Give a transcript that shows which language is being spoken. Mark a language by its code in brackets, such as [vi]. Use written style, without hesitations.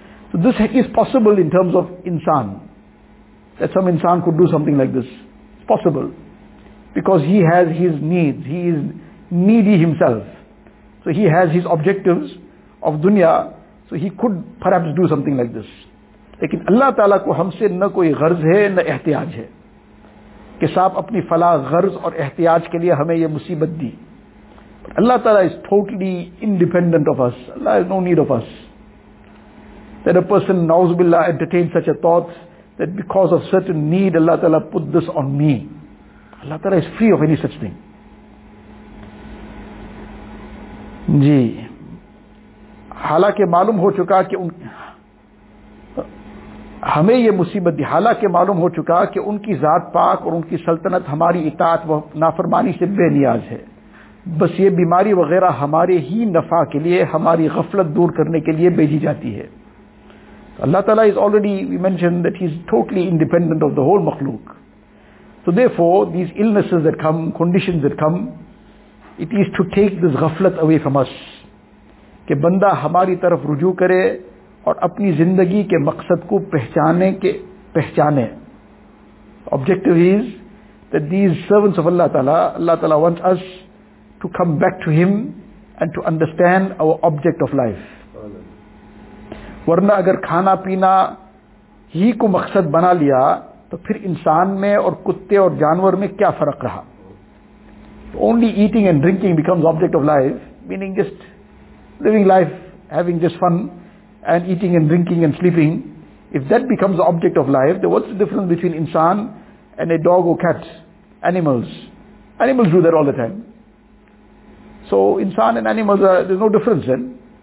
[en] So this is possible in terms of insan, that some insan could do something like this. It's possible, because he has his needs, he is needy himself. So he has his objectives of dunya, so he could perhaps do something like this. [ur] لیکن اللہ تعالیٰ کو ہم سے نہ کوئی غرض ہے نہ احتیاج ہے کہ صاحب اپنی فلاح غرض اور احتیاج کے لیے ہمیں یہ مصیبت دی. [en] اللہ تعالیٰ is totally independent of us. Allah has no need of us. That a person, نعوذ باللہ, entertains such a thought that because of certain need Allah تعالیٰ put this on me. Allah تعالیٰ is free of any such thing. [ur] جی حالانکہ معلوم ہو چکا کہ ہمیں یہ مصیبت دی, حالانکہ معلوم ہو چکا کہ ان کی ذات پاک اور ان کی سلطنت ہماری اطاعت و نافرمانی سے بے نیاز ہے. بس یہ بیماری وغیرہ ہمارے ہی نفع کے لیے, ہماری غفلت دور کرنے کے لیے بھیجی جاتی ہے. [en] اللہ تعالیٰ is already, we mentioned that he is totally independent of the whole makhluk. So therefore, these illnesses that come, conditions that come, it is to take this غفلت away from us. [ur] کہ بندہ ہماری طرف رجوع کرے اور اپنی زندگی کے مقصد کو پہچانے کے پہچانے. [en] Objective is that these servants of Allah Ta'ala wants us to come back to Him and to understand our object of life. [ur] ورنہ اگر کھانا پینا ہی کو مقصد بنا لیا تو پھر انسان میں اور کتے اور جانور میں کیا فرق رہا. [en] Only eating and drinking becomes object of life, meaning just living life, having just fun and eating and drinking and sleeping, if that becomes the object of life, then what's the difference between insan and a dog or cat? Animals. Animals do that all the time. So insan and animals, there's no difference then.